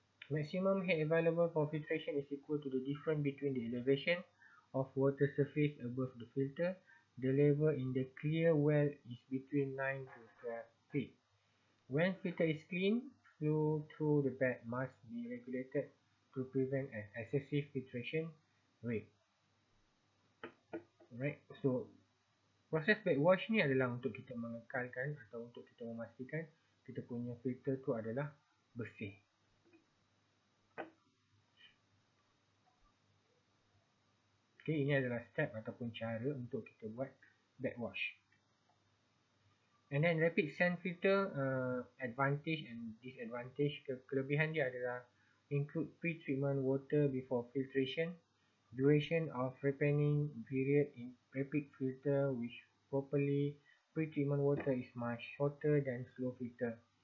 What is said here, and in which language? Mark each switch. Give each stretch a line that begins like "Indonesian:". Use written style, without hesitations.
English: Maximum head available for filtration is equal to the difference between the elevation of water surface above the filter. The level in the clear well is between 9 to 12 feet. When filter is clean, flow through the bed must be regulated to prevent an excessive filtration rate.
Malay: Right, so proses backwash ni adalah untuk kita mengekalkan atau untuk kita memastikan kita punya filter tu adalah bersih. Okay, ini adalah step ataupun cara untuk kita buat backwash.
English: And then rapid sand filter, advantage and disadvantage.
Malay: Kelebihan dia adalah
English: include pre-treatment water before filtration, duration of repairing period in rapid filter which properly pre-treatment water is much shorter than slow filter.